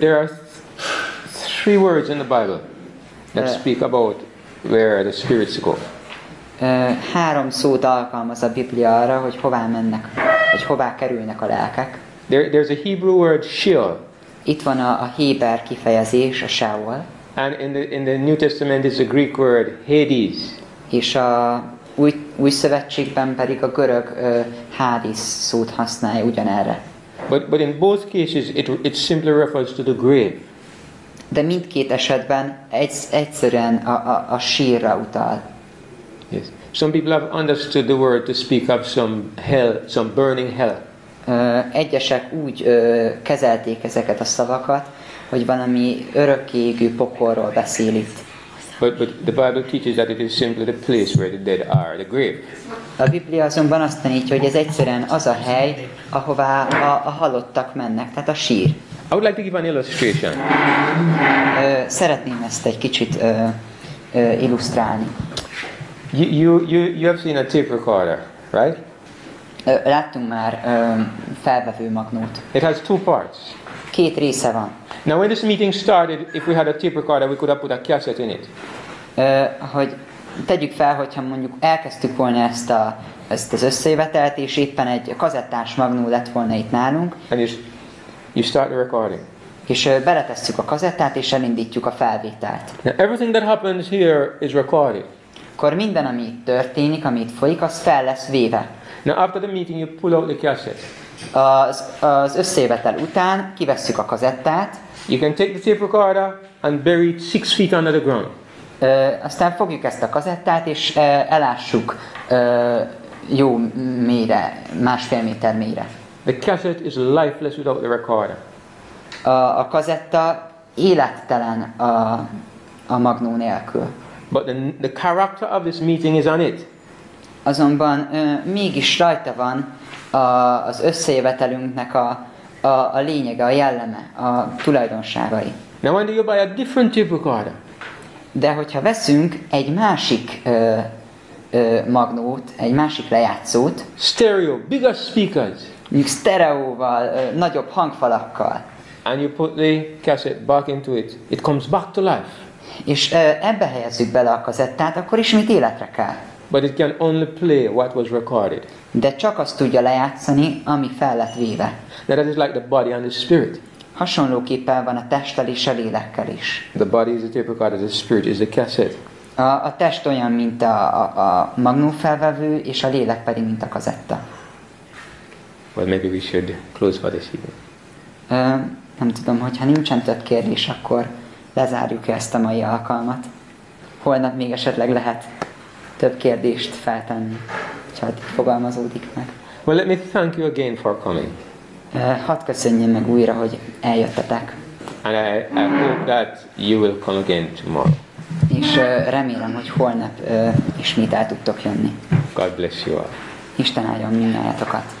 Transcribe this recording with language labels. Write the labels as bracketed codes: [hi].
[en] There are three words in the Bible that speak about where the spirits go. [hu] Három szót alkalmaz a Biblia arra, hogy hová mennek, hogy hová kerülnek a lelkek. [en] There's a Hebrew word Sheol. [hu] Itt van a héber kifejezés, a Sheol. [en] And in the New Testament is a Greek word Hades. [hu] És a új szövetségben pedig a görög Hades szót használja ugyanerre. [en] But in both cases it simply refers to the grave. [hu] De mindkét esetben egyszerűen a sírra utal. [en] Yes. Some people have understood the word to speak of some hell, some burning hell. [hu] Egyesek úgy kezelték ezeket a szavakat, hogy valami örökkéjű pokorról beszél itt. [en] But the Bible teaches that it is simply the place where the dead are, the grave. [hu] A Biblia azonban azt tanítja, hogy ez egyszerűen az a hely, ahová a halottak mennek, tehát a sír. [en] I would like to give an illustration. [hu] Szeretném ezt egy kicsit illusztrálni. [en] You have seen a tape recorder, right? [hu] Láttunk már felvevő magnót. [en] It has two parts. [hu] Két része van. [en] Now when this meeting started, if we had a tape recorder, we could have put a cassette in it. [hu] Hogy tegyük fel, hogyha mondjuk elkezdtük volna ezt az összejövetelt, és éppen egy kazettás magnó lett volna itt nálunk. [en] And you start the recording. [hu] És beletesszük a kazettát, és elindítjuk a felvételt. [en] Now, everything that happens here is recorded. [hu] Akkor minden, ami itt történik, ami itt folyik, az fel lesz véve. [en] Now after the meeting you pull out the cassette. [hu] Az összejövetel után kivesszük a kazettát. [en] You can take the tape recorder and bury it 6 feet under the ground. [hu] Aztán fogjuk ezt a kazettát és elássuk jó mélyre, másfél méter mélyre. [en] The cassette is lifeless without the recorder. [hu] A kazetta élettelen a magnó nélkül. [en] But the character of this meeting is on it. [hu] Azonban mégis rajta van az összejövetelünknek a lényege, a jelleme, a tulajdonságai. [en] Now when do you buy a different tape recorder? [hu] De hogyha veszünk egy másik magnót, egy másik lejátszót. [en] Stereo, bigger speakers. [hu] Mondjuk stereóval, nagyobb hangfalakkal. [en] And you put the cassette back into it. It comes back to life. [hu] És ebbe helyezzük bele a kazettát, akkor ismét életre kell. [en] But it can only play what was recorded. [hu] De csak azt tudja lejátszani, ami fel lett véve. [en] Now that is like the body and the spirit. [hu] Hasonlóképpen van a testtel és a lélekkel is. [en] The body is the tape recorder, the spirit is the cassette. [hu] A test olyan, mint a magnófelvevő, és a lélek pedig, mint a kazetta. [en] Well, maybe we should close for this evening. [hu] Nem tudom, hogyha nincsen több kérdés, akkor lezárjuk ezt a mai alkalmat. Holnap még esetleg lehet több kérdést feltenni, hogyha fogalmazódik meg. [en] Well, let me thank you again for coming. [hu] Hadd köszönjem meg újra, hogy eljöttetek. [en] And I hope that you will come again tomorrow. [hu] És remélem, hogy holnap ismét el tudtok jönni. [en] God bless you all. [hu] Isten áldjon mindnyájatokat.